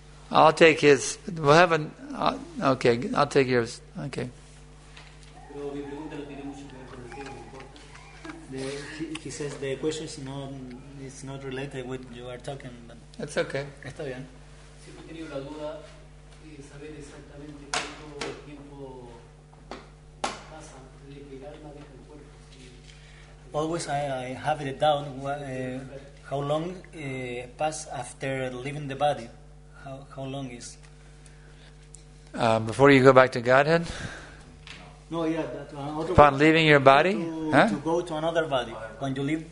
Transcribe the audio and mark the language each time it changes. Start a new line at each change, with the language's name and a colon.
English: I'll take his. We'll have an... okay, I'll take yours. Okay. He says the question is not related to what you are talking. That's okay.
Spanish: Está bien. Siempre he tenido la duda de saber exactamente cuánto tiempo pasa de que el alma deja el cuerpo.
English: Always I have it down how long pass after leaving the body. How long is? Before you go back to Godhead? No, yeah. That upon leaving your body? To go to another body. When you leave